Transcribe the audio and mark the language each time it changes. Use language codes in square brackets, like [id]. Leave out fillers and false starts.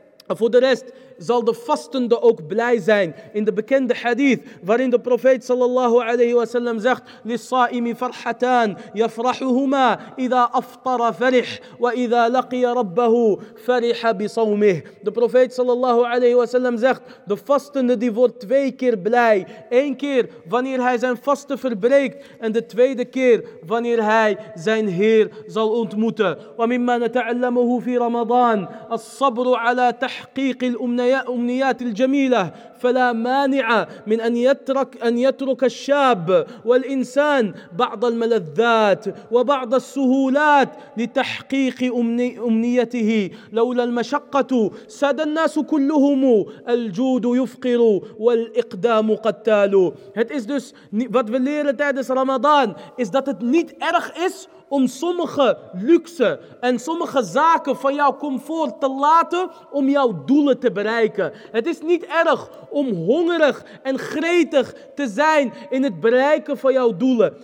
[nl] En voor de rest zal de vastende ook blij zijn. In de bekende hadith waarin de profeet sallallahu alayhi wa sallam zegt: [ar] لِلصَّائِمِ فَرْحَتَانِ يَفْرَحُهُمَا إِذَا أَفْطَرَ فَرِحْ وَإِذَا لَقِيَ رَبَّهُ فَرِحَ بِصَوْمِهِ. [nl] De profeet sallallahu alayhi wa sallam zegt: de vastende die wordt twee keer blij. Eén keer wanneer hij zijn vaste verbreekt en de tweede keer wanneer hij zijn Heer zal ontmoeten. [ar] وَمِمَّا نَتَعَلَّمُهُ فِي رَمَضَانِ الصَّبْرُ عَلَى تَحْقِيقِ أمنيات الجميلة فلا مانع من أن يترك الشاب والإنسان بعض الملذات وبعض السهولات لتحقيق أمنيته لولا المشقة ساد الناس كلهم الجود يفقر والإقدام قتال. [nl] Het is dus wat we leren tijdens Ramadan is dat het niet erg is om sommige luxe en sommige zaken van jouw comfort te laten om jouw doelen te bereiken. Het is niet erg om hongerig en gretig te zijn in het bereiken van jouw doelen.